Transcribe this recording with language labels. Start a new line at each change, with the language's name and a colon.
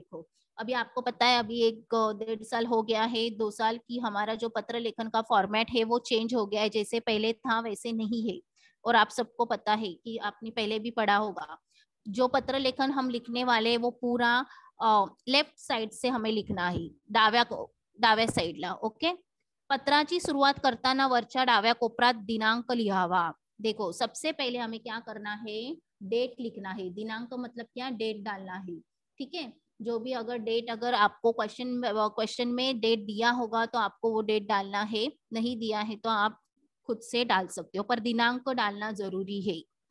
Hindi: देखो, अभी आपको पता है, अभी 1-1.5 साल हो गया है, 2 साल की हमारा जो पत्र लेखन का फॉर्मेट है वो चेंज हो गया है, जैसे पहले था वैसे नहीं है। और आप सबको पता है कि आपने पहले भी पढ़ा होगा, जो पत्र लेखन हम लिखने वाले वो पूरा लेफ्ट साइड से हमें लिखना है,
Marathi: डाव्या साइड ला। ओके, पत्राची सुरुआत करता ना वरचा डाव्या कोपरात दिनांक लिहावा।
Hindi: देखो, सबसे पहले हमें क्या करना है, डेट लिखना है, दिनांक मतलब क्या, डेट डालना है। ठीक है, जो भी अगर डेट, अगर आपको क्वेश्चन में डेट दिया होगा तो आपको वो डेट डालना है, नहीं दिया है तो आप खुद से डाल सकते हो, पर दिनांक डालना जरूरी है।